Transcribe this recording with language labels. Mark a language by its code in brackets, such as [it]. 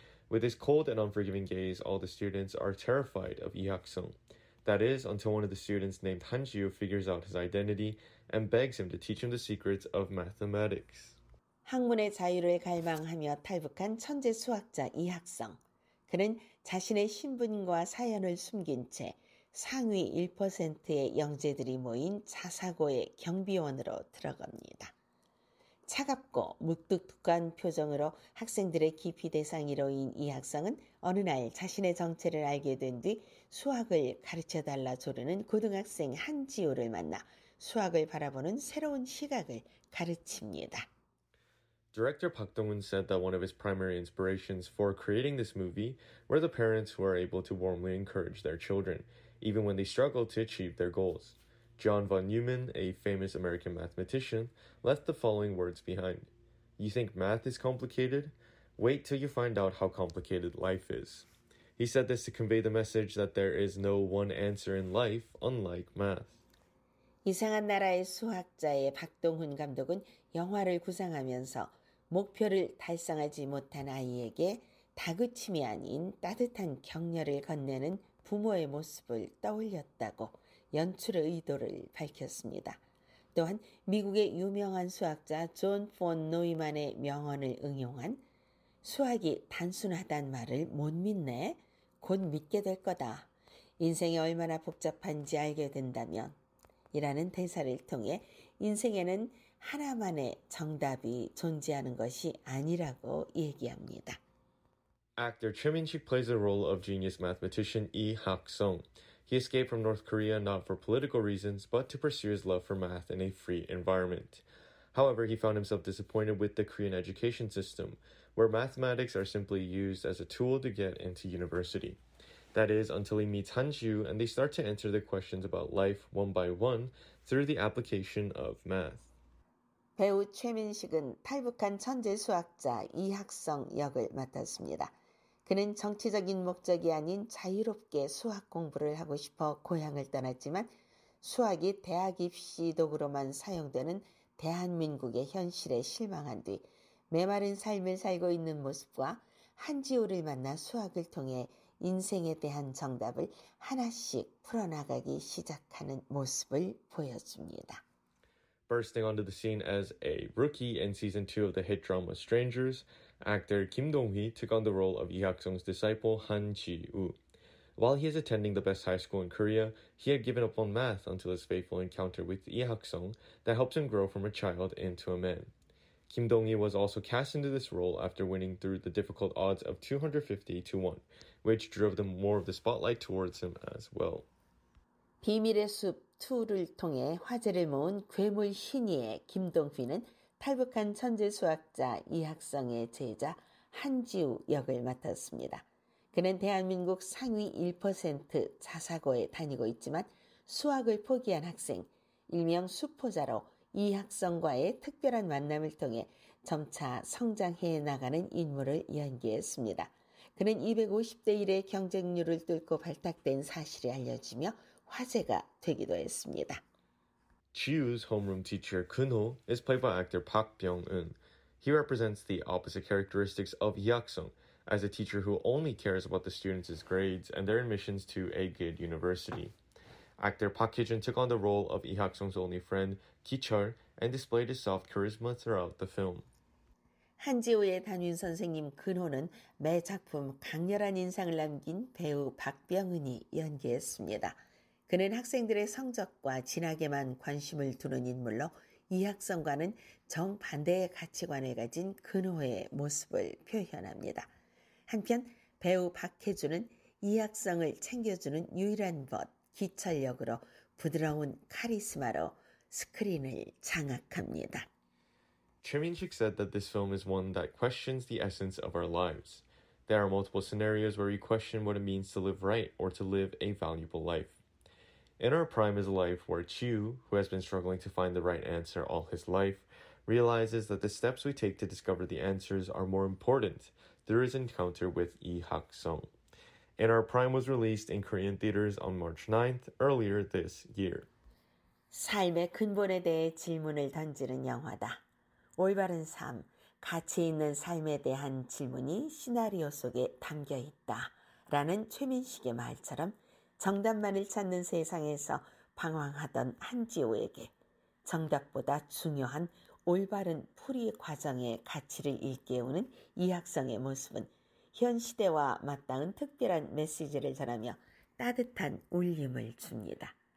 [en] With his cold and unforgiving gaze, all the students are terrified of Yi Hak-sung. That is, until one of the students named Han Ji-woo figures out his identity and begs him to teach him the secrets of mathematics. [ko] 학문의 자유를 갈망하며 탈북한 천재 수학자 Yi Hak-sung. 그는 자신의 신분과 사연을 숨긴 채 상위 1%의 영재들이 모인 자사고의 경비원으로 들어갑니다. 차갑고 묵뚝뚝한 표정으로 학생들의 기피 대상이로인 이 학생은 어느 날 자신의 정체를 알게 된 뒤 수학을 가르쳐달라 조르는 고등학생 한지호를 만나 수학을 바라보는 새로운 시각을 가르칩니다. [en] Director Park Dong-hoon said that one of his primary inspirations for creating this movie were the parents who are able to warmly encourage their children, even when they struggle to achieve their goals. John von Neumann, a famous American mathematician, left the following words behind. You think math is complicated? Wait till you find out how complicated life is. He said this to convey the message that there is no one answer in life, unlike math. [ko] 이상한 나라의 수학자의 박동훈 감독은 영화를 구상하면서 목표를 달성하지 못한 아이에게 다그침이 아닌 따뜻한 격려를 건네는 부모의 모습을 떠올렸다고 연출 의도를 밝혔습니다. 또한 미국의 유명한 수학자 존 폰 노이만의 명언을 응용한 수학이 단순하단 말을 못 믿네, 곧 믿게 될 거다. 인생이 얼마나 복잡한지 알게 된다면 이라는 대사를 통해 인생에는 하나만의 정답이 존재하는 것이 아니라고 얘기합니다. [en] Actor Choi Min-sik plays the role of genius mathematician Yi Hak-sung. He escaped from North Korea not for political reasons, but to pursue his love for math in a free environment. However, he found himself disappointed with the Korean education system, where mathematics are simply used as a tool to get into university. That is, until he meets Han Ji-woo and they start to answer the questions about life one by one through the application of math. [ko] 배우 최민식은 탈북한 천재 수학자 이학성 역을 맡았습니다. 그는 정치적인 목적이 아닌 자유롭게 수학 공부를 하고 싶어 고향을 떠났지만 수학이 대학 입시 도구로만 사용되는 대한민국의 현실에 실망한 뒤 메마른 삶을 살고 있는 모습과 한 지호를 만나 수학을 통해 인생에 대한 정답을 하나씩 풀어나가기 시작하는 모습을 보여줍니다. [en] Bursting onto the scene as a rookie in season 2 of the hit drama Strangers, actor Kim Dong-hee took on the role of Yi Hak-sung's disciple Han Ji-woo. While he is attending the best high school in Korea, he had given up on math until his fateful encounter with Yi Hak-sung that helped him grow from a child into a man. Kim Dong-hee was also cast into this role after winning through the difficult odds of 250-1, which drove them more of the spotlight towards him as well. [ko] 비밀의 숲 2를 통해 화제를 모은 괴물 신이의 김동휘는 탈북한 천재 수학자 이학성의 제자 한지우 역을 맡았습니다. 그는 대한민국 상위 1% 자사고에 다니고 있지만 수학을 포기한 학생, 일명 수포자로 이학성과의 특별한 만남을 통해 점차 성장해 나가는 인물을 연기했습니다. 그는 250대 1의 경쟁률을 뚫고 발탁된 사실이 알려지며 화제가 되기도 했습니다. [en] Chiu's homeroom teacher, Kun-ho, is played by actor Park Byung-eun. He represents the opposite characteristics of Hyak-sung, as a teacher who only cares about the students' grades and their admissions to a good university. Actor Park Hye-jin took on the role of Lee Hak-sung's only friend, Ki-chul, and displayed his soft charisma throughout the film. [ko] 한지호의 담임 선생님 근호는 매 작품 강렬한 인상을 남긴 배우 박병은이 연기했습니다. 그는 학생들의 성적과 진학에만 관심을 두는 인물로 이학성과는 정반대의 가치관을 가진 근호의 모습을 표현합니다. 한편 배우 박혜주는 이학성을 챙겨주는 유일한 벗 기철 역으로 부드러운 카리스마로 스크린을 장악합니다. [en] Choi Min-sik said that this film is one that questions the essence of our lives. There are multiple scenarios where we question what it means to live right or to live a valuable life. In our prime is a life where Chiu, who has been struggling to find the right answer all his life, realizes that the steps we take to discover the answers are more important through his encounter with Lee Hak-sung. In our prime was released in Korean theaters on March 9th, earlier this year. [ko] 삶의 근본에 대해 질문을 던지는 영화다. 올바른 삶, 가치 있는 삶에 대한 질문이 시나리오 속에 담겨 있다. 라는 최민식의 말처럼 정답만을 찾는 세상에서 방황하던 한지호에게 정답보다 중요한 올바른 풀이 과정의 가치를 일깨우는 이학성의 모습은 현 시대와 맞닿은 특별한 메시지를 전하며 따뜻한 울림을 줍니다.